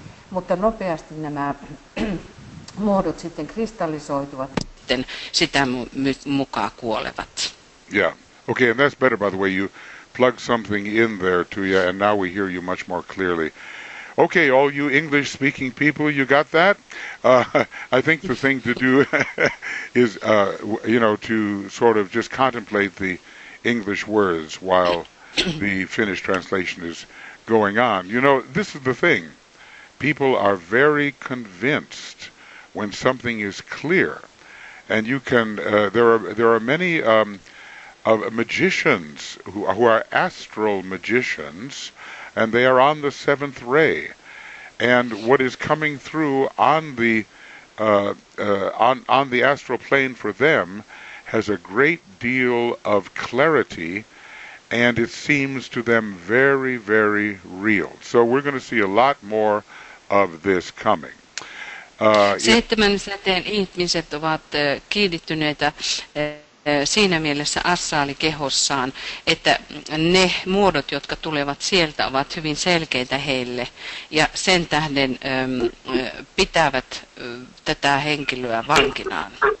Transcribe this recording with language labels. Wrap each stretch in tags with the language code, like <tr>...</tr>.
<fi>Mutta nopeasti nämä muodot sitten kristallisoituvat sitten sitä mukaan kuolevat.</fi> <en>Yeah. Okay, and that's better, by the way. You plug something in there, Tuya, and now we hear you much more clearly. Okay, all you English-speaking people, you got that? I think the thing to do is, to sort of just contemplate the English words while the Finnish translation is going on. You know, this is the thing. People are very convinced when something is clear. And you can, there are many magicians who are astral magicians, and they are on the seventh ray. And what is coming through on the astral plane for them has a great deal of clarity, and it seems to them very, very real. So we're going to see a lot more of this coming.</en> <fi>Seitsemän säteen ihmiset ovat kiinnittyneitä siinä mielessä astraalikehossaan, että ne muodot, jotka tulevat sieltä, ovat hyvin selkeitä heille ja sen tähden pitävät tätä henkilöä vankinaan.</fi>